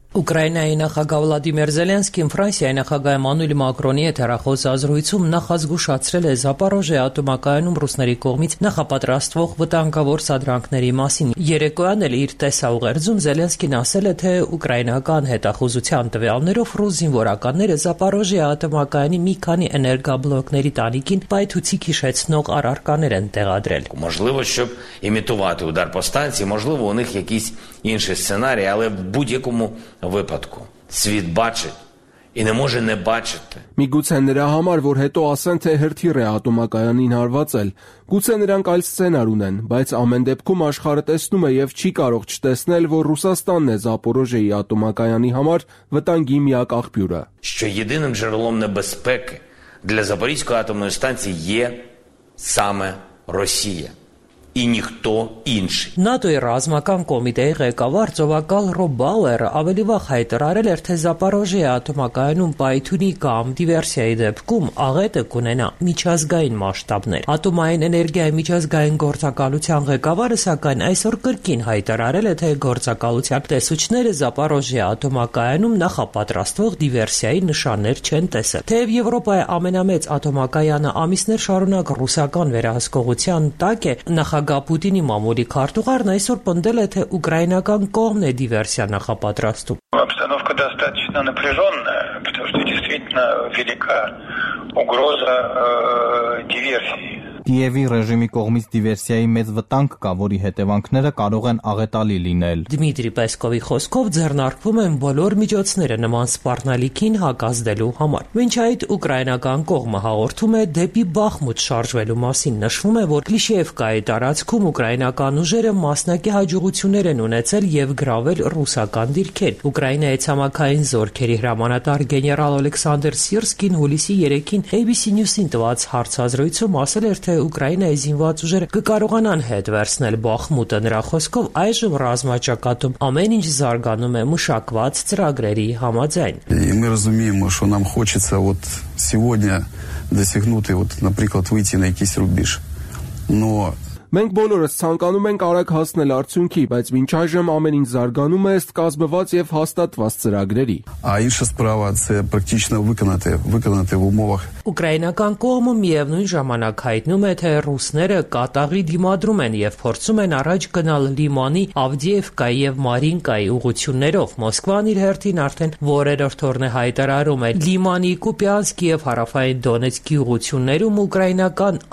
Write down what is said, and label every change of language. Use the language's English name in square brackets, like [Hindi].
[Armenian] Ուկրաինայի նախագահ Վլադիմիր Զելենսկին Ֆրանսիայի նախագահ Մանուել Մակրոնի հետ հեռախոս զրույցում նախազգուշացրել է Զապարոժե ատոմակայանում ռուսների կողմից նախապատրաստվող վտանգավոր սադրանքների մասին։ Երեկոյան էլ իր տեսաուղերձում Զելենսկին ասել է, թե ուկրաինական հետախուզության տվյալներով ռուս զինվորականները Զապարոժե ատոմակայանի մի քանի էներգաբլոկների տանիքին պայթուցի քիշեցնող առարկաներ են տեղադրել։ [Ukrainian] Інший сценарій, але в будь-якому випадку світ бачить. І не може не бачити. [Armenian] Միգուցե նրա համար, որ հետո ասեն, թե հրթիռ է ատոմակայանին հարվածել, գուցե նրանք այլ սցենար ունեն, բայց ամեն դեպքում աշխարհը տեսնում է եւ չի կարող չտեսնել, որ Ռուսաստանն է Զապորոժեի ատոմակայանի համար վտանգի միակ աղբյուրը. [Ukrainian] Що єдиним джерелом небезпеки для Запорізької атомної станції є саме Росія. І ніхто інший. [Armenian] НАТО-ի ռազմական կոմիտեի ղեկավար ծովակալ Ռոբ Բաուերը ավելի վաղ հայտարարել էր, թե Զապարոժիայի ատոմակայանում պայթյունի կամ դիվերսիայի դեպքում աղետը կունենա միջազգային մասշտաբներ։ Ատոմային էներգիայի միջազգային գործակալության ղեկավարը, սակայն, այսօր կրկին հայտարարել է, թե գործակալության տեսուչները Զապարոժիայի ատոմակայանում նախապատրաստվող դիվերսիայի նշաններ չեն տեսել։ Թեև Եվրոպայի ամենամեծ ատոմակայանը ամիսներ շարունակ ռուսական վերահսկողության տակ է, նախագահ Պուտինի մամուլի քարտուղարն այսօր պնդել է, թե ուկրաինական կողմն է դիվերսիա նախապատրաստում։ [Russian] Обстановка достаточно напряжённая, потому что действительно велика угроза диверсии. [Armenian] Դիևի ռեժիմի կողմից դիվերսիայի մեծ վտանգ կա, որի հետևանքները կարող են աղետալի լինել։ Դմիտրի Պեսկովի խոսքով ձեռնարկվում են բոլոր միջոցները նման սպառնալիքին հակազդելու համար։ Մինչ այդ ուկրաինական կողմը հաղորդում է դեպի Բախմուտ շարժվելու մասին, նշվում է, որ Կլիշևկայի տարածքում ուկրաինական ուժերը մասնակի հաջողություններ են ունեցել եւ գրավել ռուսական դիրքեր։ Ուկրաինայի ցամաքային զորքերի հրամանատար գեներալ Ալեքսանդր Սիրսկին հուլիսի 3-ին ABC News-ին տված հարցազրույցում ասել է, թե Ուկրաինայի զինված ուժեր կկարողանան հետ վերցնել Բախմուտը, նրա խոսքով այժմ ռազմաճակատում ամեն ինչ զարգանում է մշակված ծրագրերի համաձայն։ [Russian] Мы разумеем, что нам хочется вот сегодня достигнуть вот, например, выйти на какой-то рубеж. Но [Armenian] մենք բոլորս ցանկանում ենք արագ հասնել արդյունքի, բայց մինչ այժմ ամեն ինչ զարգանում է ըստ կազմված եւ հաստատված ծրագրերի։ Այսինքն [Ukrainian] справа це практично виконати в умовах [Armenian] Ուկրաինական կողմը միևնույն ժամանակ հայտնում է, թե ռուսները կատաղի դիմադրում են եւ փորձում են առաջ գնալ Լիմանի, Ավդիևկայի եւ Մարինկայի ուղություններով։ Մոսկվան իր հերթին արդեն որերորդ օրն է հայտարարում է Լիմանի, Կուպյանսկի եւ Հարավային Դոնեցկի ուղություններում ուկրաինական